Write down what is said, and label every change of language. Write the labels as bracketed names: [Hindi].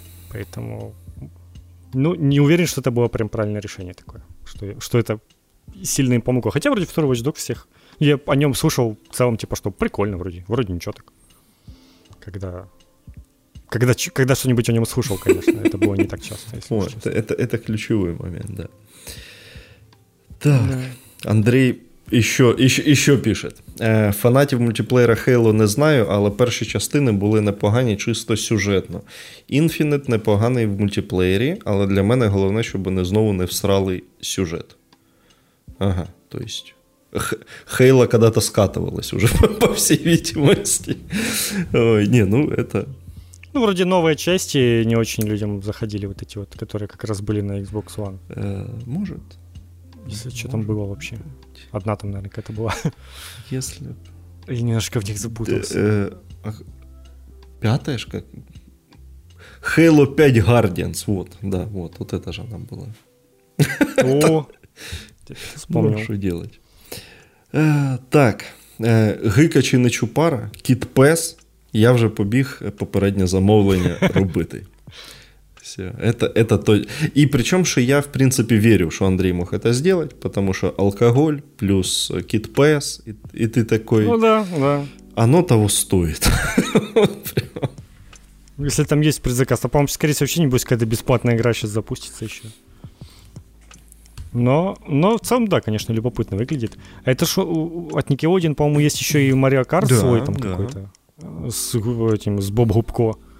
[Russian] Поэтому, ну, не уверен, что это было прям правильное решение такое, что это сильно им помогло. Хотя, вроде, второй Watch Dogs всех... Я о нем слышал в целом, типа, что прикольно вроде. Вроде ничего так. Когда что-нибудь о нем слушал, конечно, это было не так часто. Если вот, это ключевой момент, да. Так, да. Андрей еще пише. [Ukrainian] Фанатів мультиплеера Halo не знаю, але перші частини були непогані чисто сюжетно. Infinite непоганий в мультиплеєрі, але для мене головне, щоб вони знову не всрали сюжет. Ага, [Russian] то есть... Хейла когда-то скатывалась уже, по всей видимости. Ой, не, ну это... Ну, вроде новые части не очень людям заходили, вот эти вот, которые как раз были на Xbox One. Может. Если что там было вообще. Одна там, наверное, какая-то была. Если... Я немножко в них запутался. Пятая ж как? Halo 5 Guardians, вот, да, вот, вот это же она была. О! Вспомнил. Что делать. [Ukrainian] Так, Гика чи не Чупара, Кіт Пес... Я вже побіг попереднє замовлення робити. Все. [Russian] Это то. [Ukrainian] І причому, що я, в принципі, вірю, що Андрій мог це зробити, тому що алкоголь плюс Кіт Пес, і ти такий... [Russian] Ну, да, да. [Ukrainian] Оно того стоїть. Якщо там є предзаказ, то, по-моєму, скоріше, [Russian] вообще не будет, когда бесплатная игра сейчас запустится еще. Но в целом, да, конечно, любопытно выглядит. Это ж от Nickelodeon, по-моему, есть еще и Mario Kart, да, свой там, да, какой-то. С этим, с Боб Губко.